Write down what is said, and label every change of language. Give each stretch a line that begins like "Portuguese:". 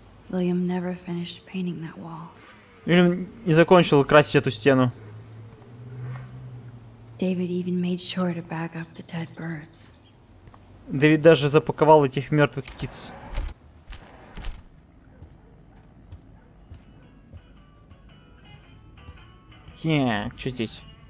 English: Уильям never finished painting that wall.
Russian: Уильям не закончил красить эту стену.
English: David even made sure to bag up the dead birds.
Russian: Дэвид даже запаковал этих мертвых птиц. Так, что здесь?